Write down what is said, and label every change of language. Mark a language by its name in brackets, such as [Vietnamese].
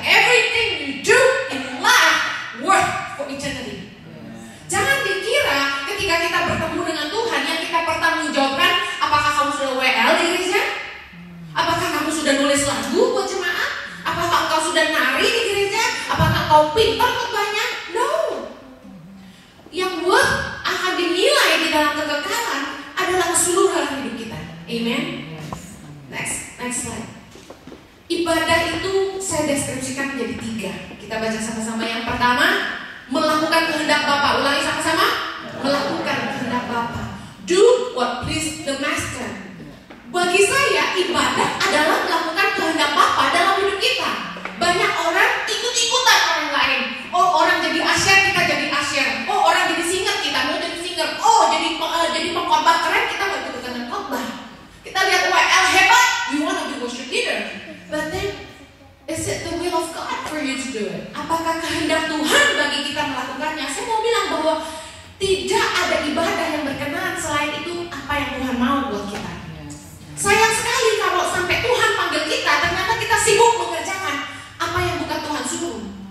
[English] Everything you do in life worth for eternity. [Indonesian] Jangan dikira ketika kita bertemu dengan Tuhan yang kita pertanggungjawabkan, apakah kamu sudah WL di gereja? Apakah kamu sudah nulis lagu buat jemaat? Apakah kau sudah nari di gereja? Apakah kau pintar khotbahnya? No. Yang worth akan dinilai di dalam kekekalan adalah keseluruhan hidup kita. Amen. Next slide. Ibadah itu saya deskripsikan menjadi tiga. Kita baca sama-sama. Yang pertama, melakukan kehendak Bapa. Ulangi sama-sama. Melakukan kehendak Bapa. [English] Do what please the Master. [Indonesian] Bagi saya, ibadah adalah melakukan kehendak Bapa dalam hidup kita. Banyak orang ikut-ikutan orang lain. Oh, orang jadi asyir, kita jadi asyir. Oh, orang jadi singer, kita mau jadi singer. Oh, jadi pengkhotbah keren, kita mau ikut dengan khotbah. Kita lihat WL hebat, [English] you wanna be worship leader. But then, is it the will of God for you to do it? [Indonesian] Apakah kehendak Tuhan bagi kita melakukannya? Saya mau bilang bahwa tidak ada ibadah yang berkenan selain itu apa yang Tuhan mau buat kita. Sayang sekali kalau sampai Tuhan panggil kita, ternyata kita sibuk mengerjakan apa yang bukan Tuhan suruh.